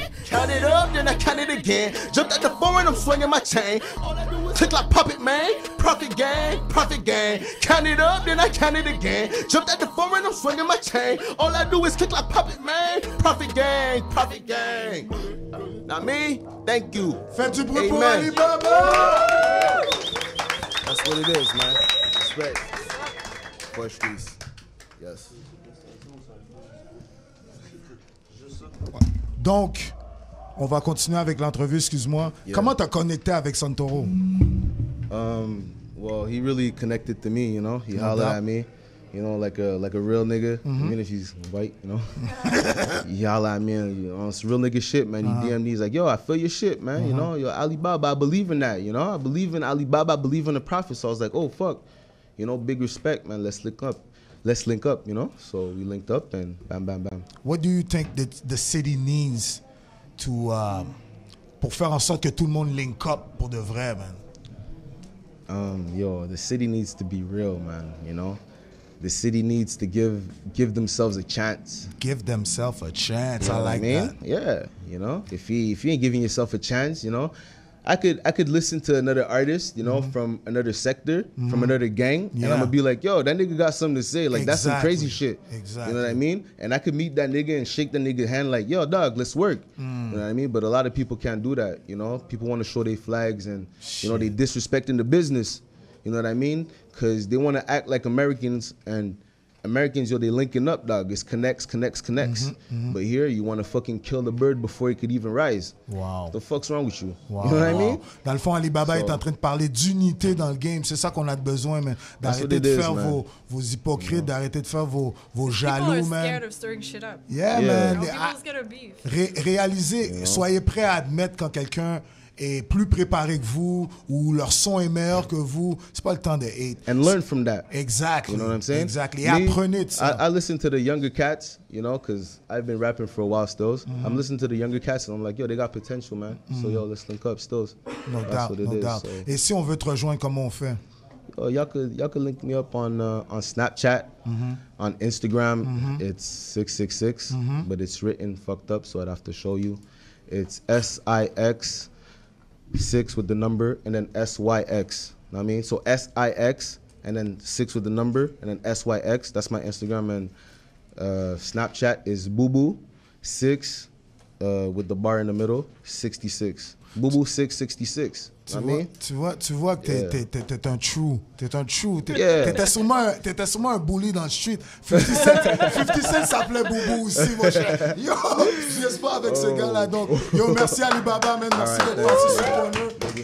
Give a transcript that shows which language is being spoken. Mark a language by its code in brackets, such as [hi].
[en] Hey, count it up, then I count it again. Jumped at the phone and I'm swinging my chain. Tick like puppet, man. Profit gang. Profit gang. Count it up, then I count it again. Jumped at the phone and I'm swinging my chain. All I do is kick like puppet, man. Profit gang. Profit gang. Not me. Thank you. [fr] Fancy Bruit pour Alibaba. [en] That's what it is, man. Respect. Push these. Yes. [fr] Donc, on va continuer avec l'entrevue, excuse-moi. Yeah. Comment t'as connecté avec Santoro? [en] Well, he really connected to me, you know. He hollered at me, you know, like a real nigga. Mm-hmm. I mean, if he's white, you know. He hollered at me, you know, it's real nigga shit, man. He DM'd me, he's like, yo, I feel your shit, man. Uh-huh. You know, yo, Alibaba, I believe in that, you know. I believe in Alibaba, I believe in the prophet. So I was like, oh, fuck. You know, big respect, man. Let's link up. Let's link up, you know? So we linked up and bam, bam, bam. What do you think that the city needs to, [fr] pour faire en sorte que tout le monde link up pour de vrai, man? [en] Yo, the city needs to be real, man, you know? The city needs to give themselves a chance. Give themselves a chance, you know, I like that. Yeah, you know? If you ain't giving yourself a chance, you know? I could listen to another artist, you know, mm-hmm. from another sector, mm-hmm. from another gang, yeah. and I'm gonna be like, yo, that nigga got something to say. Like, exactly. That's some crazy shit. Exactly. You know what I mean? And I could meet that nigga and shake that nigga's hand like, yo, dog, let's work. Mm. You know what I mean? But a lot of people can't do that, you know? People want to show their flags and, shit. You know, they disrespecting the business. You know what I mean? Because they want to act like Americans, and Americans, yo, they linking up, dog. It's connects, connects, connects. Mm-hmm, mm-hmm. But here, you want to fucking kill the bird before it could even rise. Wow. The fuck's wrong with you? Wow. You know what I mean? [fr] Dans le fond, Alibaba est en train de parler d'unité dans le game. C'est ça qu'on a besoin, man. D'arrêter de faire vos hypocrites, yeah. d'arrêter de faire vos jaloux, man. [en] People are scared of stirring shit up. Yeah, yeah. man. People are scared of beef. [fr] Réalisez, yeah. soyez prêts à admettre quand quelqu'un est plus préparé que vous ou leur son est meilleur que vous, c'est pas le temps de hate. [en] And learn from that. Exactly. You know what I'm saying? [fr] Exactly. Me, apprenez de ça. [en] I listen to the younger cats, you know, because I've been rapping for a while still. Mm-hmm. I'm listening to the younger cats and I'm like, yo, they got potential, man. Mm-hmm. So yo, let's link up still. No That's doubt. What it no is, doubt. So. [fr] Et si on veut te rejoindre, comment on fait? [en] Yo, y'all could link me up on Snapchat, mm-hmm. on Instagram. Mm-hmm. It's 666, mm-hmm. but it's written fucked up, so I'd have to show you. It's S-I-X. 6 with the number and then SYX. You know what I mean? So SIX and then 6 with the number, and then SYX, that's my Instagram, and Snapchat is Boo Six, with the bar in the middle, 66. Boo Boo 666. [fr] Tu vois que t'es un true. T'étais sûrement un bully dans le street. 50 Cent s'appelait Boubou aussi, mon cher. Yo, j'espère avec ce gars-là. Donc, yo, merci Alibaba, man. Merci d'être parti sur le corner.